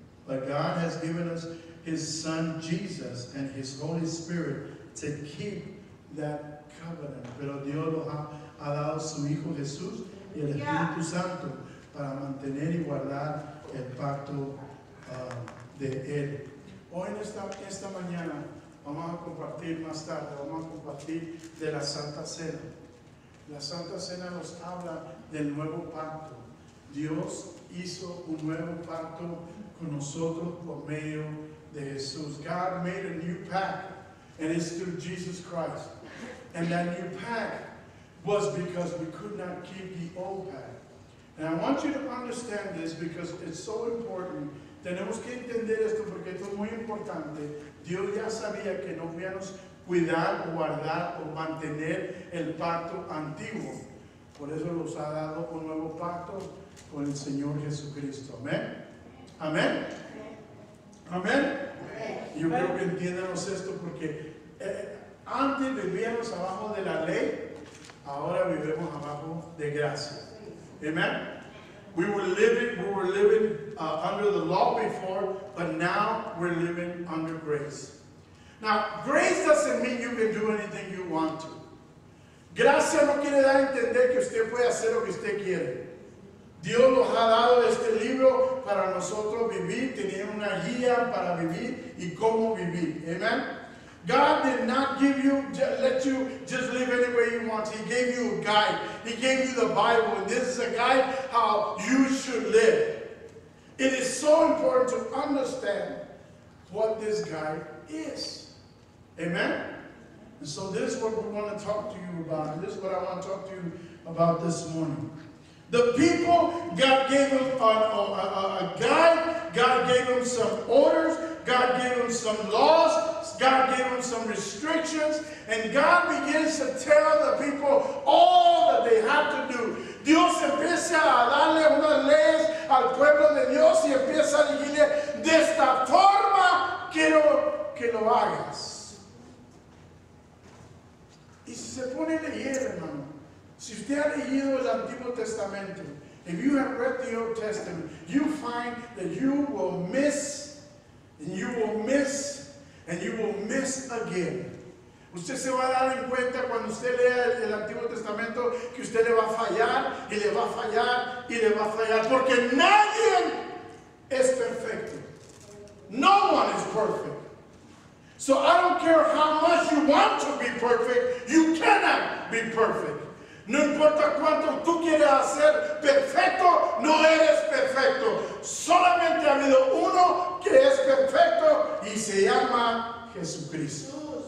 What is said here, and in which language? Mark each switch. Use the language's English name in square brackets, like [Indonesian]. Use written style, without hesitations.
[English] But God has given us His Son Jesus and His Holy Spirit to keep that covenant. [Spanish] Pero Dios lo ha dado su Hijo Jesús y el Espíritu Santo para mantener y guardar el pacto de Él. Hoy en esta mañana vamos a compartir más tarde, vamos a compartir de la Santa Cena. La Santa Cena nos habla del nuevo pacto. Dios hizo un nuevo pacto con nosotros por medio de Jesús. [English] God made a new pact, and it's through Jesus Christ. And that new pact was because we could not keep the old pact. And I want you to understand this because it's so important. [Spanish] Tenemos que entender esto porque esto es muy importante. Dios ya sabía que no podíamos cuidar, guardar o mantener el pacto antiguo. Por eso nos ha dado un nuevo pacto con el Señor Jesucristo. Amén. Amén. Amén. Yo creo que entiéndanos esto porque antes vivíamos abajo de la ley, ahora vivimos abajo de gracia. Amen. [English] We were living under the law before, but now we're living under grace. Now, grace doesn't mean you can do anything you want to. [Spanish] Gracia no quiere dar a entender que usted puede hacer lo que usted quiere. Dios nos ha dado este libro para nosotros vivir, tener una guía para vivir y cómo vivir. Amen. [English] God did not give you, let you just live any way you want. He gave you a guide. He gave you the Bible. And this is a guide how you should live. It is so important to understand what this guide is. Amen? And so this is what we want to talk to you about. This is what I want to talk to you about this morning. The people, God gave them a guide. God gave them some orders. God gave them some laws. God gave them some restrictions, and God begins to tell the people all that they have to do. [Spanish] Dios empieza a darle unas leyes al pueblo de Dios y empieza a decirle, de esta forma quiero que lo hagas. Y si se pone a leer, hermano, si usted ha leído el Antiguo Testamento, [English] if you have read the Old Testament, you find that you will miss again. [Spanish] Usted se va a dar en cuenta cuando usted lea el Antiguo Testamento que usted le va a fallar y le va a fallar y le va a fallar porque nadie es perfecto. [English] No one is perfect. So I don't care how much you want to be perfect, you cannot be perfect. [Spanish] No importa cuánto tú quieras hacer perfecto, no eres perfecto. Solamente ha habido uno que es perfecto y se llama Jesucristo.